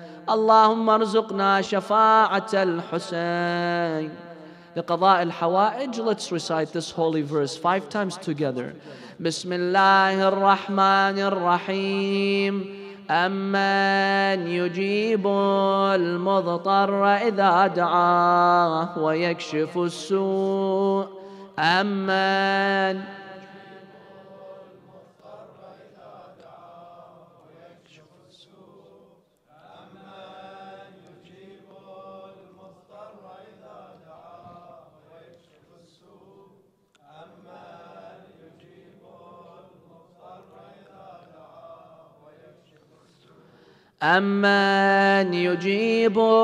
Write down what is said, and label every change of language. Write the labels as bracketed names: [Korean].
[Arabic] اللهم ارزقنا شفاعة الحسين. لقضاء الحوائج, [English] let's recite this holy verse 5 times together. [Arabic] بسم الله الرحمن الرحيم. أمن يجيب المضطر إذا دعاه ويكشف السوء. أمن أمن يجيب